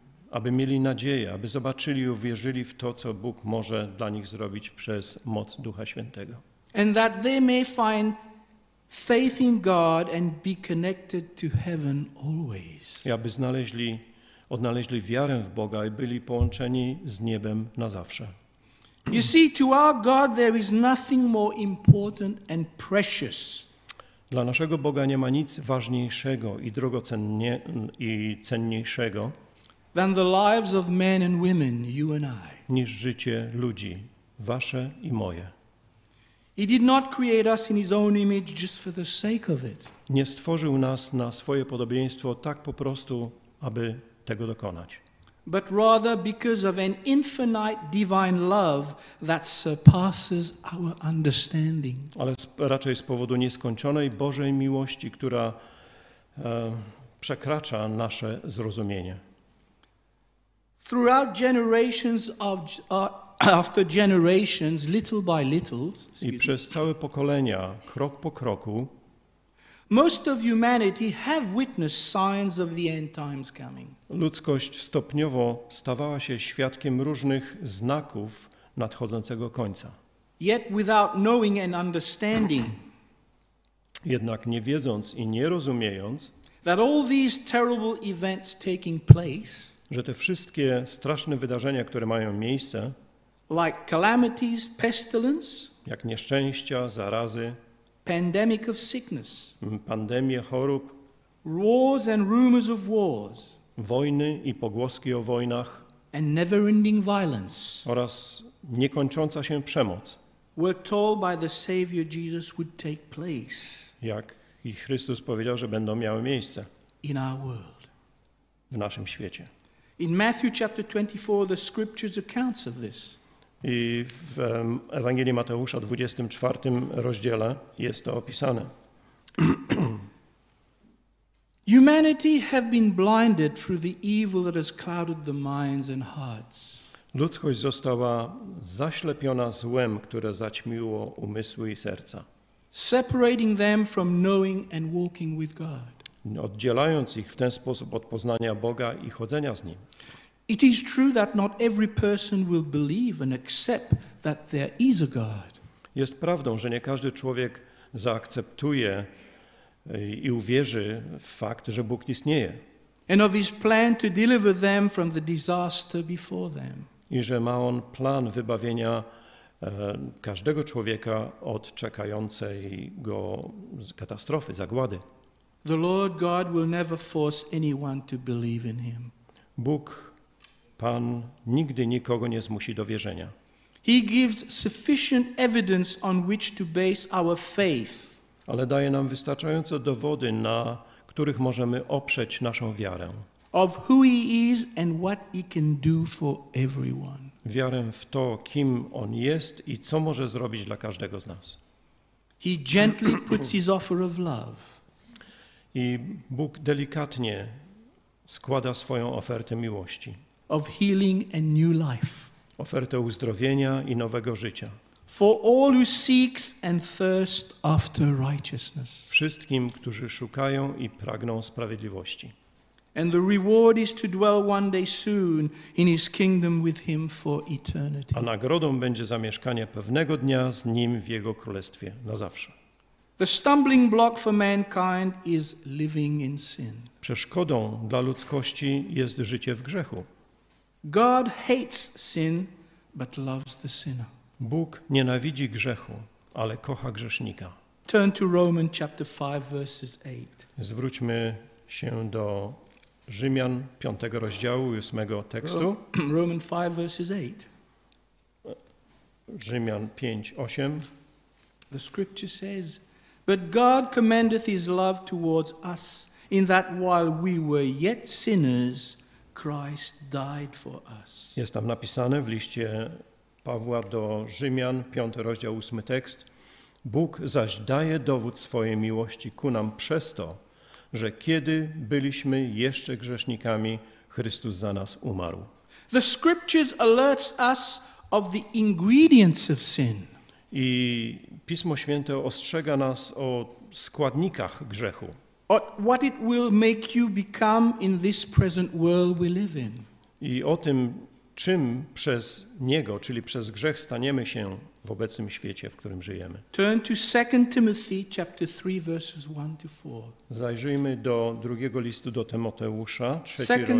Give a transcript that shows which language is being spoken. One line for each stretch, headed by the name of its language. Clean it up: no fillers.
Polish: Aby mieli nadzieję, aby zobaczyli i uwierzyli w to, co Bóg może dla nich zrobić przez moc Ducha Świętego.
English: And that they may find faith in God and be connected to heaven always.
Polish: I aby odnaleźli wiarę w Boga i byli połączeni z niebem na zawsze.
English: You see, to our God there is nothing more important and precious.
Polish: Dla naszego Boga nie ma nic ważniejszego i cenniejszego
English: than the lives of men and women, you and I.
Polish: Niż życie ludzi, wasze i moje.
English: He did not create us in his own image just for the sake of it.
Polish: Nie stworzył nas na swoje podobieństwo tak po prostu, aby tego dokonać.
English: But rather because of an infinite divine love that surpasses our understanding.
Polish: Ale raczej z powodu nieskończonej Bożej miłości, która przekracza nasze zrozumienie.
English: Throughout generations of after generations, little by little,
Polish: i przez całe pokolenia, krok po kroku,
English: most of humanity have witnessed signs of the end times coming.
Polish: Ludzkość stopniowo stawała się świadkiem różnych znaków nadchodzącego końca.
English: Yet without knowing and understanding,
Polish: jednak nie wiedząc i nie rozumiejąc,
English: that all these terrible events taking place,
Polish: że te wszystkie straszne wydarzenia, które mają miejsce,
English: like calamities, pestilence,
Polish: jak nieszczęścia, zarazy,
English: pandemic of sickness,
Polish: pandemie chorób,
English: wars and rumors of wars,
Polish: wojny i pogłoski o wojnach,
English: and never-ending violence,
Polish: oraz niekończąca się przemoc,
English: were told by the Savior Jesus would take place,
Polish: jak i Chrystus powiedział, że będą miały miejsce,
English: in our world,
Polish: w naszym świecie.
English: In Matthew chapter 24, the scriptures accounts of this.
Polish: I w Ewangelii Mateusza 24 rozdziale jest to opisane.
English: Humanity have been blinded through the evil that has clouded the minds and hearts.
Polish: Ludzkość została zaślepiona złem, które zaćmiło umysły i serca.
English: Separating them from knowing and walking with God.
Polish: Oddzielając ich w ten sposób od poznania Boga i chodzenia z Nim.
English: It is true that not every person will believe and accept that there is a God.
Polish: Jest prawdą, że nie każdy człowiek zaakceptuje i uwierzy w fakt, że Bóg istnieje.
English: And of his plan to deliver them from the disaster before them.
Polish: I że ma on plan wybawienia każdego człowieka od czekającej go katastrofy, zagłady.
English: The Lord God will never force anyone to believe in him.
Polish: Bóg, Pan, nigdy nikogo nie zmusi do wierzenia.
English: He gives sufficient evidence on which to base our faith.
Polish: Ale daje nam wystarczające dowody, na których możemy oprzeć naszą wiarę.
English: Of who he is and what he can do for everyone.
Polish: Wiarę w to, kim on jest i co może zrobić dla każdego z nas.
English: He gently puts his offer of love.
Polish: I Bóg delikatnie składa swoją ofertę miłości.
English: Of healing and new life.
Polish: Ofertę uzdrowienia i nowego życia.
English: For all who seeks and thirst after righteousness.
Polish: Wszystkim, którzy szukają i pragną sprawiedliwości.
English: And the reward is to dwell one day soon in his kingdom with him for eternity.
Polish: A nagrodą będzie zamieszkanie pewnego dnia z nim w jego królestwie na zawsze.
English: The stumbling block for mankind is living in sin.
Polish: Przeszkodą dla ludzkości jest życie w grzechu.
English: God hates sin, but loves the sinner.
Polish: Bóg nienawidzi grzechu, ale kocha grzesznika.
English: Turn to Romans chapter 5 verses 8.
Polish: Zwróćmy się do Rzymian 5 rozdziału 8 tekstu.
English: Romans 5 verses 8.
Polish: Rzymian 5:8.
English: The scripture says, but God commendeth his love towards us, in that while we were yet sinners, Christ died for us.
Polish: Jest tam napisane w liście Pawła do Rzymian, 5 rozdział, 8 tekst. Bóg zaś daje dowód swojej miłości ku nam przez to, że kiedy byliśmy jeszcze grzesznikami, Chrystus za nas umarł.
English: The scriptures alerts us of the ingredients of sin.
Polish: I Pismo Święte ostrzega nas o składnikach grzechu.
English: What it will make you become in this present world we live in.
Polish: I o tym, czym przez niego, czyli przez grzech, staniemy się w obecnym świecie, w którym żyjemy.
English: Turn to 2 Timothy chapter 3 verses 1 to 4.
Polish: Zajrzyjmy do drugiego listu do Tymoteusza, trzeci rozdział.